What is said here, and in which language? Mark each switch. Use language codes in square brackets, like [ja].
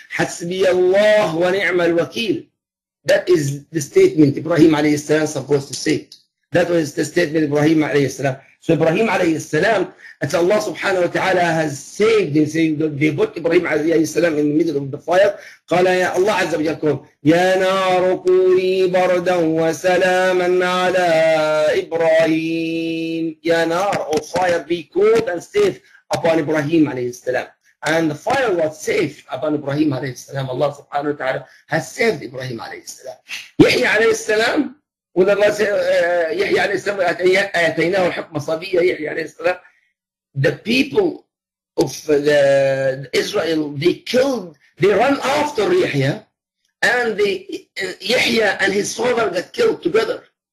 [ar] حسبي الله ونعم الوكيل. [en] That is the statement Ibrahim alayhi salam supposed to say. That was the statement Ibrahim alayhi salam. So Ibrahim alayhi salam, as Allah subhanahu wa ta'ala has saved him, saying that they put Ibrahim alayhi salam in the middle of the fire. [ar] قال يا الله عز وجل يا نار كوني بردا وسلاما على إبراهيم. يا نار, [en] oh fire, be cold and safe upon Ibrahim alayhi salam. And the fire was safe upon Ibrahim alayhi salam. Allah subhanahu wa ta'ala has saved Ibrahim alayhi salam. Yahya alayhi salam, when Allah said, Yahya alayhi salam, [ar] ayataynahu hukma sabiyya, [en] Yahya alayhi salam, the people of the Israel, they killed, they run after Yahya, and Yahya and his father got killed together.